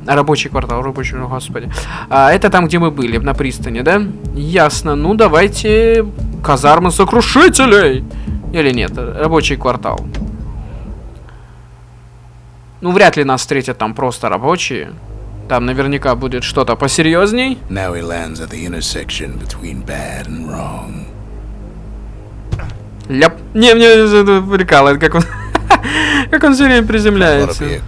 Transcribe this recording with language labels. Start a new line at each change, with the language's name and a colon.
Russian: Рабочий квартал, рабочий, господи. А это там, где мы были, на пристани, да? Ясно, ну давайте. Казармы сокрушителей. Или нет, рабочий квартал. Ну вряд ли нас встретят там просто рабочие. Там наверняка будет что-то посерьезней.
English: Now he lands at the intersection between bad and wrong.
Russian: Ляп. Не, мне это прикалывает, как он... Как он все время приземляется.